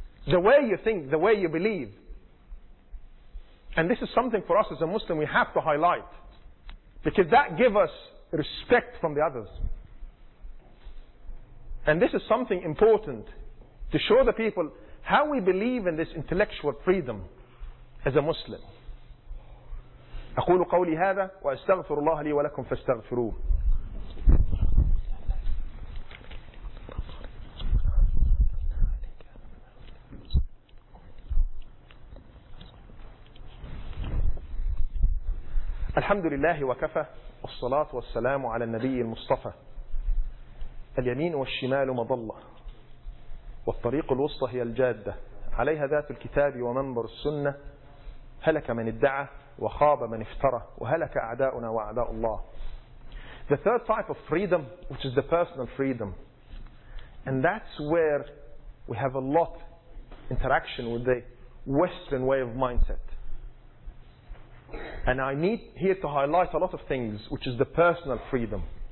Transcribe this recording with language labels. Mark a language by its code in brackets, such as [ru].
[en] The way you think, the way you believe. And this is something for us as a Muslim we have to highlight. Because that gives us respect from the others. And this is something important to show the people how we believe in this intellectual freedom as a Muslim. [ar] أقول قولي هذا وأستغفر الله لي ولكم فاستغفروه. الحمد لله وكفى، والصلاة والسلام على النبي المصطفى. اليمين والشمال مضلة، والطريق الوسطى هي الجادة، عليها ذات الكتاب ومنبر السنة. هلك من ادعى وخاب من افترى، وهلك أعداؤنا وأعداء الله. [en] The third type of freedom, which is the personal freedom, and that's where we have a lot interaction with the Western way of mindset. And I need here to highlight a lot of things, which is the personal freedom.